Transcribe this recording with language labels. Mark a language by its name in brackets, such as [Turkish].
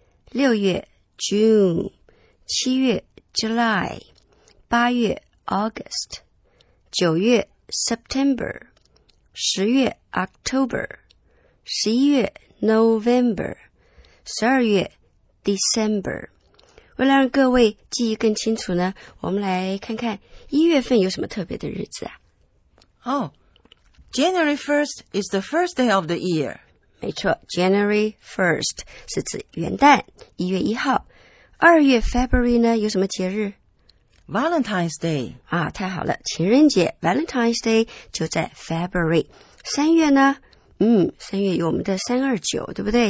[Chinese] 六月 June,七月 July, 八月 August, 九月 September, 十月 October, 十一月 November, 十二月 December。为了让各位记忆更清楚呢，我们来看看一月份有什么特别的日子啊。 [English] Oh, January 1st is the first day of the year. [Chinese] 没错， January 1st 是指元旦，一月一号。二月 February 呢有什么节日？ [English] Valentine's Day [Chinese] 啊，太好了，情人节 Valentine's Day 就在 February。三月呢，三月有我们的329，对不对？